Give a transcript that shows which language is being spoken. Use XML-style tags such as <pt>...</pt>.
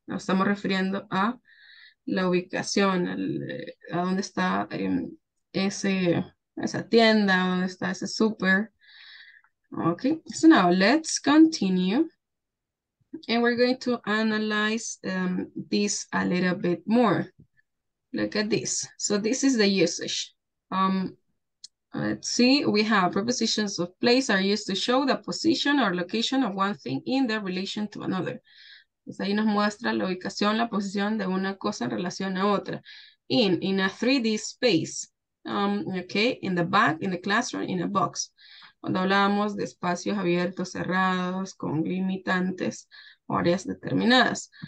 <es>Nos estamos refiriendo a la ubicación, a dónde está esa tienda, dónde está ese super.</es> <en>Okay, so now let's continue, and we're going to analyze this a little bit more. Look at this. So this is the usage. Let's see, we have prepositions of place are used to show the position or location of one thing in the relation to another.</en> <es>Pues ahí nos muestra la ubicación, la posición de una cosa en relación a otra.</es> <en>In a 3D space, okay, in the back, in the classroom, in a box.</en> <es>Cuando hablábamos de espacios abiertos, cerrados, con limitantes, áreas determinadas.</es>